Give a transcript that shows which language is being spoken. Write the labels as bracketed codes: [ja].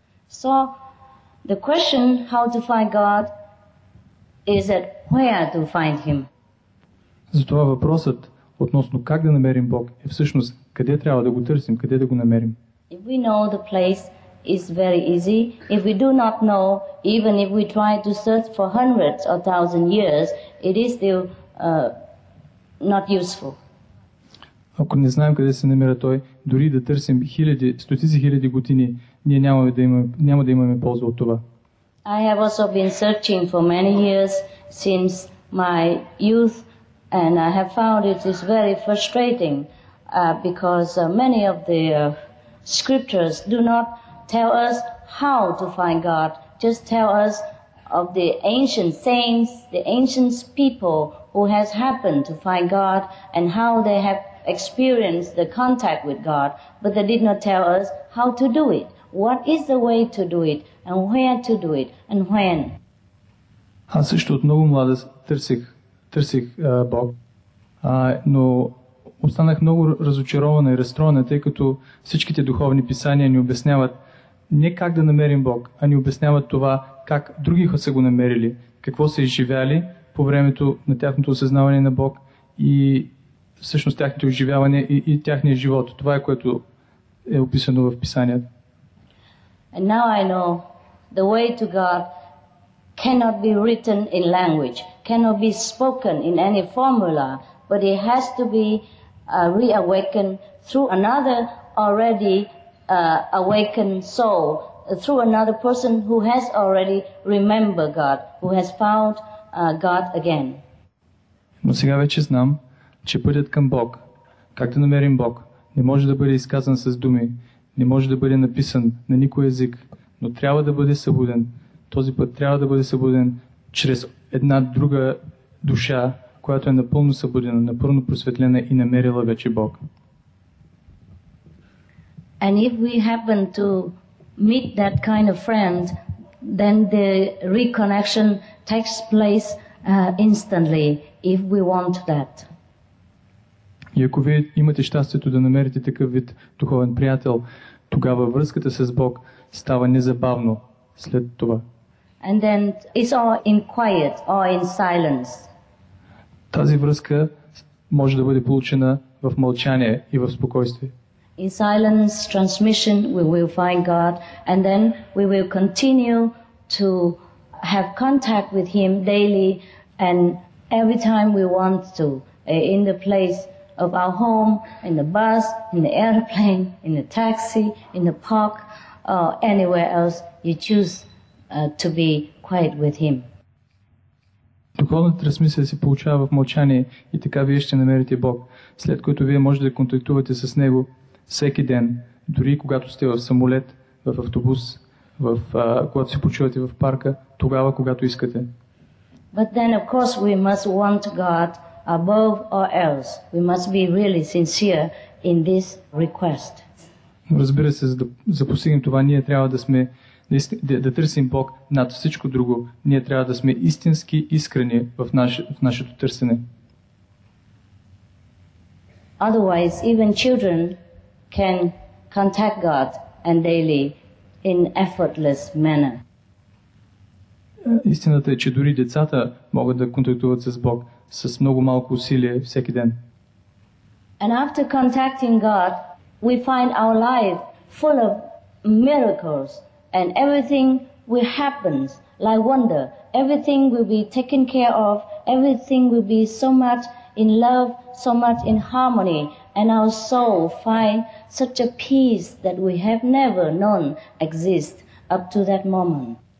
[en] So, the question how to find God is that where to find him? [bg] Затова въпросът относно как да намерим Бог е всъщност къде трябва да го търсим, къде да го намерим. [en] If we know the place is very easy, if we do not know, even if we try to search for hundreds or thousand years, it is still not useful. [bg] Ако не знаем къде се намира той, дори да търсим хиляди, стотици хиляди години, ние няма да имаме полза от това. [en] I have also been searching for many years since my youth and I have found it is very frustrating because many of the scriptures do not tell us how to find God, just tell us of the ancient saints, the ancient people who has happened to find God and how they have experience the contact with God, but they did not tell us how to do it, what is the way to do it, and where to do it, and when. [bg] Аз също от много млада търсих Бог, но останах много разочарована и разстроена, тъй като всичките духовни писания ни обясняват не как да намерим Бог, а ни обясняват това как други са го намерили, какво са изживяли по времето на тяхното осъзнаване на Бог и всъщност тяхните оживявания и тяхния живот. Това е което е описано в писанията. [en] And now I know the way to God cannot be written in language, cannot be spoken in any formula, but it has to be reawakened through another already awakened soul, through another person who has already remembered God, who has found God again. [bg] Но сега вече знам, че пътят към Бог, как да намерим Бог, не може да бъде изказан с думи, не може да бъде написан на никой език, но трябва да бъде събуден. Този път трябва да бъде събуден чрез една друга душа, която е напълно събудена, напълно просветлена и намерила вече Бог. [en] And if we happen to meet that kind of friend, then the reconnection takes place instantly, if we want that. [bg] И ако вие имате щастието да намерите такъв вид духовен приятел, тогава връзката с Бог става незабавно след това. [en] And then it's all in quiet, all in silence. [bg] Тази връзка може да бъде получена в мълчание и в спокойствие. [en] In silence transmission we will find God and then we will continue to have contact with him daily and every time we want to in the place of our home, in the bus, in the airplane, in the taxi, in the park, or anywhere else you choose to be quiet with him. [bg] Духовната трансмисия се получава в мълчание и така вие ще намерите Бог, след което вие можете да контактувате с него всеки ден, дори когато сте в самолет, в автобус, когато се почувате в парка, тогава когато искате. [en] But then of course we must want God above all else. We must be really sincere in this request. [bg] Разбира се, за постигнем това, ние трябва да сме да търсим Бог над всичко друго. Ние трябва да сме истински искрени в нашето търсене. [en] Otherwise, even children can contact God and daily in effortless manner. [bg] Истината е, че дори децата могат да контактуват с Бог с много малко усилие всеки ден. [en] And after contacting God, we find our life full of miracles and everything will happen like wonder. Everything will be taken care of, everything will be so much in love, so much in harmony, and our soul find such a peace that we have never known exist up to that moment.